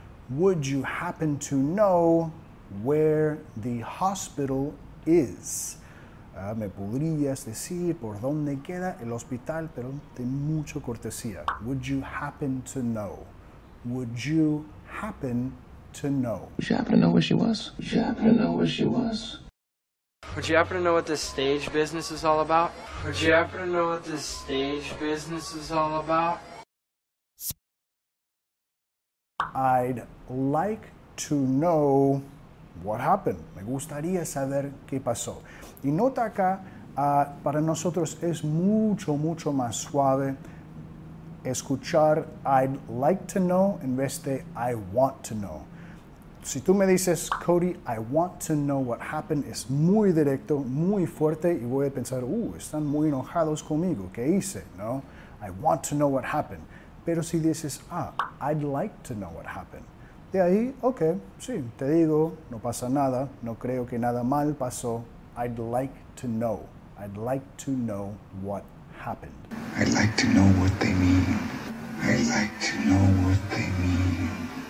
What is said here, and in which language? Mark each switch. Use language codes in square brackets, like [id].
[en] Would you happen to know where the hospital is? [es] ¿Me podrías decir por dónde queda el hospital? Pero de mucha cortesía. [en] Would you happen to know? Would you happen to know? Would you happen to know where she was? Would you happen to know where she was? Would you happen to know what this stage business is all about? Would you happen to know what this stage business is all about? I'd like to know what happened. [es] Me gustaría saber qué pasó. Y nota acá, para nosotros es mucho, mucho más suave escuchar [en] I'd like to know [es] en vez de [en] I want to know. [es] Si tú me dices, Cody, [en] I want to know what happened, [es] es muy directo, muy fuerte y voy a pensar, están muy enojados conmigo, ¿qué hice? ¿No? [en] I want to know what happened. [es] Pero si dices, [en] I'd like to know what happened. [es] De ahí, ok, sí, te digo, no pasa nada, no creo que nada mal pasó. [en] I'd like to know. I'd like to know what happened. I'd like to know what they mean. I'd like to know what they mean.